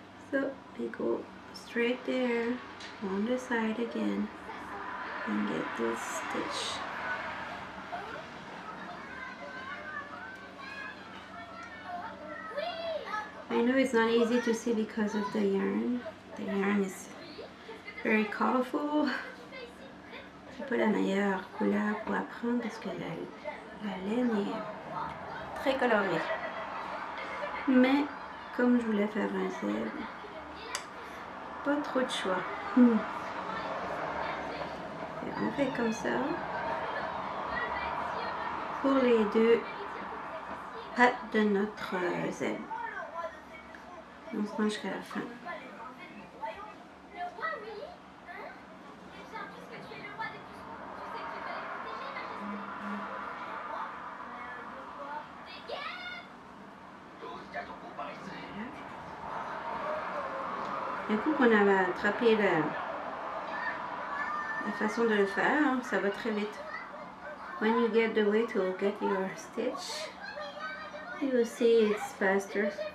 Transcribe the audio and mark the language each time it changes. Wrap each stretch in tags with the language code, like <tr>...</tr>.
<en>So, we go straight there, on the side again, and get this stitch. I know it's not easy to see because of the yarn. The yarn is very colorful.</en> <fr>C'est pas la meilleure couleur pour apprendre parce que la laine est très colorée. Mais comme je voulais faire un zèbre, pas trop de choix. Et on fait comme ça pour les deux pattes de notre zèbre. On se mange jusqu'à la fin. Mm. Du coup, qu'on avait attrapé la façon de le faire, hein, ça va très vite.</fr> <en>When you get the way to get your stitch, you see it's faster.</en>